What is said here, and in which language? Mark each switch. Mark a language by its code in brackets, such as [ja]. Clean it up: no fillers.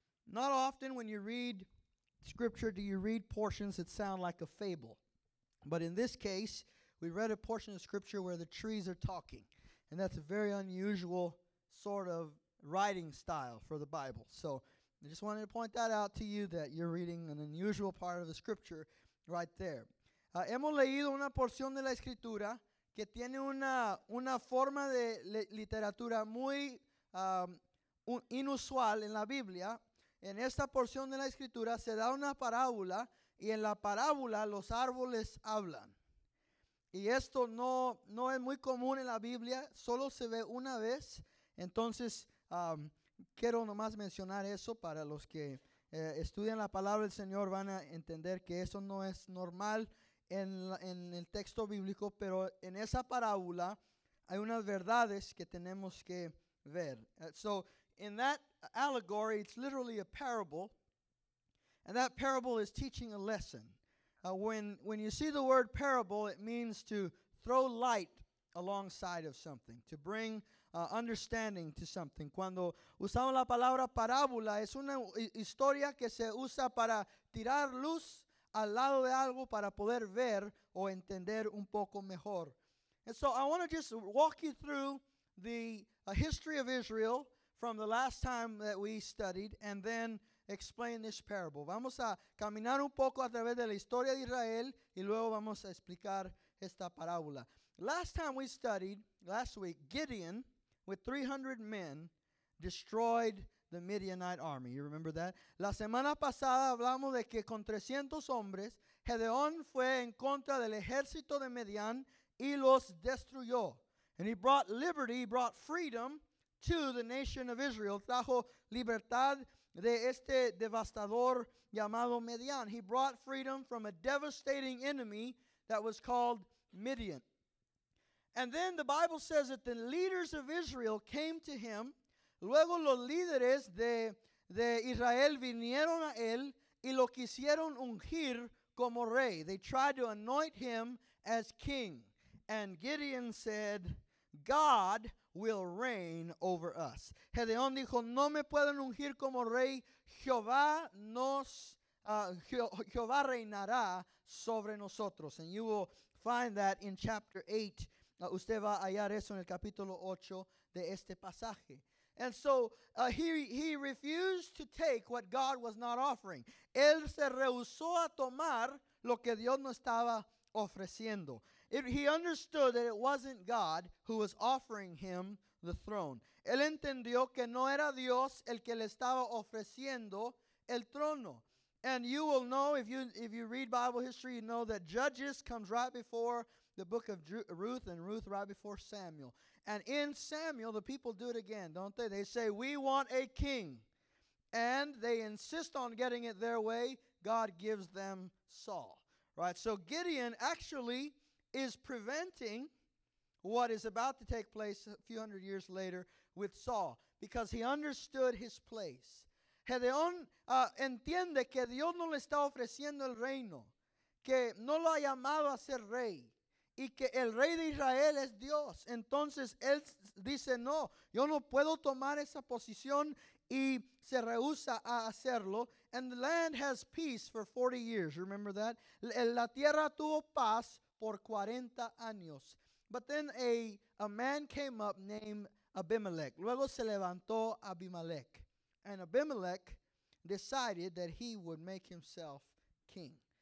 [en] Not often when you read scripture do you read portions that sound like a fable. But in this case, we read a portion of scripture where the trees are talking. And that's a very unusual sort of writing style for the Bible. So I just wanted to point that out to you, that you're reading an unusual part of the scripture right there. [es] Hemos leído una porción de la escritura que tiene una forma de literatura muy inusual en la Biblia. En esta porción de la escritura se da una parábola y en la parábola los árboles hablan. Y esto no es muy común en la Biblia, solo se ve una vez. Entonces, quiero nomás mencionar eso para los que estudian la palabra del Señor, van a entender que eso no es normal en el texto bíblico, pero en esa parábola hay unas verdades que tenemos que ver. [en] So, in that allegory, it's literally a parable, and that parable is teaching a lesson. When you see the word parable, it means to throw light alongside of something, to bring understanding to something. [es] Cuando usamos la palabra parábola, es una historia que se usa para tirar luz al lado de algo para poder ver o entender un poco mejor. [en] And so I want to just walk you through the history of Israel from the last time that we studied, and then explain this parable. [es] Vamos a caminar un poco a través de la historia de Israel, y luego vamos a explicar esta parábola. [en] Last time we studied, last week, Gideon, with 300 men, destroyed the Midianite army. You remember that? [es] La semana pasada hablamos de que con 300 hombres, Gedeón fue en contra del ejército de Midian y los destruyó. [en] And he brought liberty, he brought freedom to the nation of Israel. [es] Trajo libertad de este devastador llamado Midian. [en] He brought freedom from a devastating enemy that was called Midian. And then the Bible says that the leaders of Israel came to him. [es] Luego los líderes de Israel vinieron a él y lo quisieron ungir como rey. [en] They tried to anoint him as king. And Gideon said, God will reign over us. [es] Gedeón dijo, no me pueden ungir como rey. Jehová reinará sobre nosotros. [en] And you will find that in chapter 8. [es] Usted va a hallar eso en el capítulo 8 de este pasaje. [en] And so he refused to take what God was not offering. [es] Él se rehusó a tomar lo que Dios no estaba ofreciendo. [en] He understood that it wasn't God who was offering him the throne. [es] Él entendió que no era Dios el que le estaba ofreciendo el trono. [en] And you will know, if you read Bible history, you know that Judges comes right before the book of Ruth, and Ruth right before Samuel. And in Samuel, the people do it again, don't they? They say, we want a king. And they insist on getting it their way. God gives them Saul. Right? So Gideon actually is preventing what is about to take place a few hundred years later with Saul, because he understood his place. [es] Gedeón entiende que Dios no le está ofreciendo el reino, que no lo ha llamado a ser rey, y que el rey de Israel es Dios. Entonces él dice, no, yo no puedo tomar esa posición, y se rehúsa a hacerlo. [en] And the land has peace for 40 years, remember that? [es] La tierra tuvo paz por 40 años. [en] But then a man came up named Abimelech. [es] Luego se levantó Abimelech. [en] And Abimelech decided that he would make himself king.